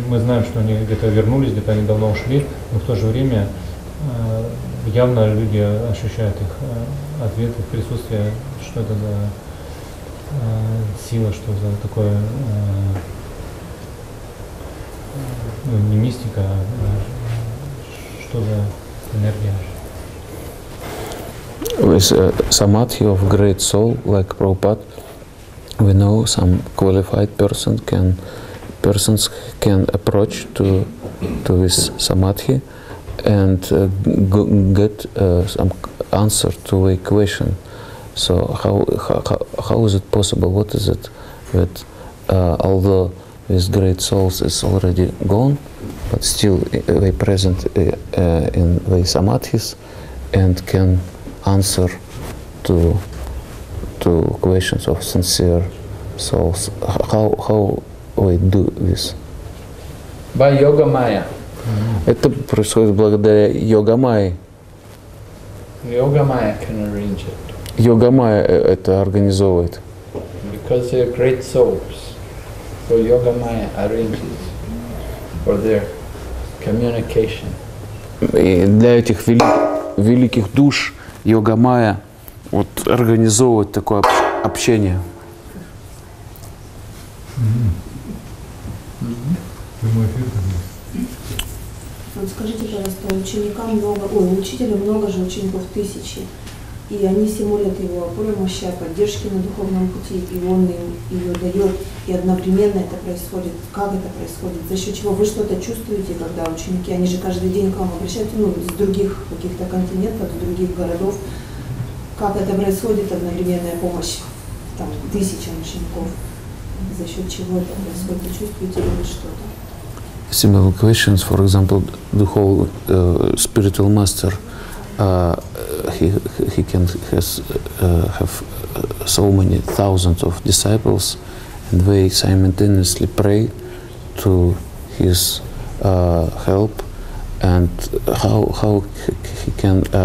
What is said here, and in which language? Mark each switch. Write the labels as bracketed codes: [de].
[ru] Мы знаем, что они где-то вернулись, где-то они давно ушли, но в то же время явно люди ощущают их ответ, их присутствие, что это за сила, что за такое, ну, не мистика, а что за энергия. [en] With samadhi of great soul, like Prabhupada, we know some qualified persons can approach to this samadhi. And get some answer to a question. So how is it possible? What is it that although these great souls is already gone, but still they present in the samadhis and can answer to questions of sincere souls? How we do this? By yoga maya. [ru] Это происходит благодаря йога-майе. [en] Йога-майя can arrange it. [ru] Йога-майя это организовывает. [en] Because they are great souls. So йога-майя arranges for their communication. [ru] И для этих великих душ йога-майя вот организовывает такое общение. Mm-hmm. Прямой эфир там есть. Вот скажите, пожалуйста, ученикам много, учителя много же, учеников тысячи, и они все молят его о помощи, о поддержке на духовном пути, и он им ее дает, и одновременно это происходит. Как это происходит? За счет чего вы что-то чувствуете, когда ученики, они же каждый день к вам обращаются, ну, с других каких-то континентов, с других городов. Как это происходит, одновременная помощь там тысячам учеников? За счет чего это происходит? Чувствуете ли вы что-то? [en] Similar questions, for example, the whole spiritual master, he has so many thousands of disciples, and they simultaneously pray to his help, and how he can